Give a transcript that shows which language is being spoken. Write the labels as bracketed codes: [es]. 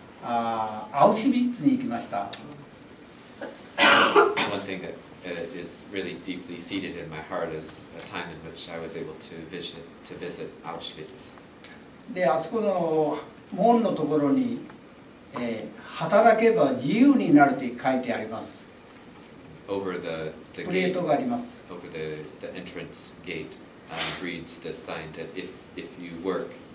[ja] アウシュビッツに行きました。 [en] One thing that is really deeply seated in my heart is a time in which I was able to visit Auschwitz. [ja] で、あそこの門のところに、働けば自由になるって書いてあります。 [en] Over the [ja] プレートがあります。 [en] Over the entrance gate reads the sign that if you work.